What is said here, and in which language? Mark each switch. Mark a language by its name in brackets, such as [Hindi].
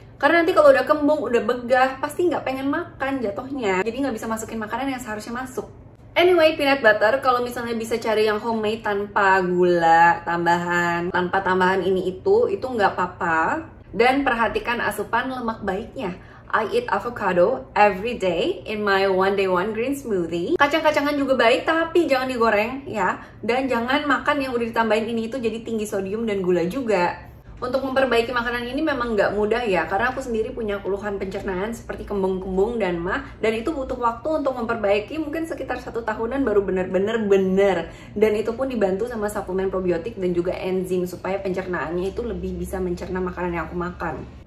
[Indonesian] Karena nanti kalau udah kembung, udah begah, pasti nggak pengen makan jatuhnya. Jadi nggak bisa masukin makanan yang seharusnya masuk. Anyway, peanut butter, kalau misalnya bisa cari yang homemade tanpa gula tambahan, tanpa tambahan ini itu nggak apa-apa. Dan perhatikan asupan lemak baiknya. [English] I eat avocado every day in my one day one green smoothie. [Indonesian] Kacang-kacangan juga baik, tapi jangan digoreng ya. Dan jangan makan yang udah ditambahin ini itu jadi tinggi sodium dan gula juga. Untuk memperbaiki makanan ini memang nggak mudah ya, karena aku sendiri punya keluhan pencernaan seperti kembung-kembung dan mah, dan itu butuh waktu untuk memperbaiki, mungkin sekitar 1 tahunan baru benar-benar, dan itu pun dibantu sama suplemen probiotik dan juga enzim supaya pencernaannya itu lebih bisa mencerna makanan yang aku makan.